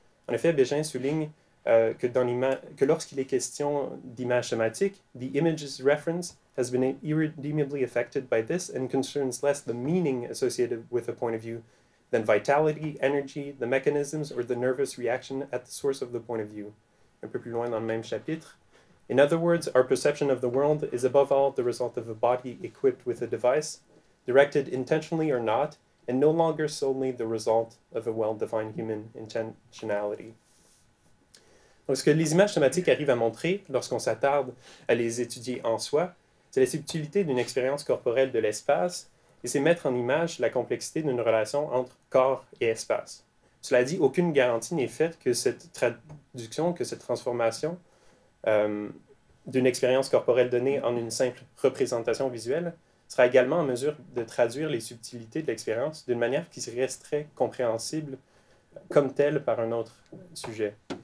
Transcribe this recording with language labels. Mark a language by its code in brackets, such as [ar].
[fr] En effet, Bégin souligne que lorsqu'il est question d'image somatique, [en] the image's reference has been irredeemably affected by this and concerns less the meaning associated with a point of view than vitality, energy, the mechanisms or the nervous reaction at the source of the point of view. [fr] Un peu plus loin dans le même chapitre. [en] In other words, our perception of the world is above all the result of a body equipped with a device, directed intentionally or not, and no longer solely the result of a well-defined human intentionality. [fr] Donc, ce que les images somatiques arrivent à montrer, lorsqu'on s'attarde à les étudier en soi, c'est la subtilité d'une expérience corporelle de l'espace, et c'est mettre en image la complexité d'une relation entre corps et espace. Cela dit, aucune garantie n'est faite que cette traduction, que cette transformation d'une expérience corporelle donnée en une simple représentation visuelle sera également en mesure de traduire les subtilités de l'expérience d'une manière qui resterait compréhensible comme telle par un autre sujet.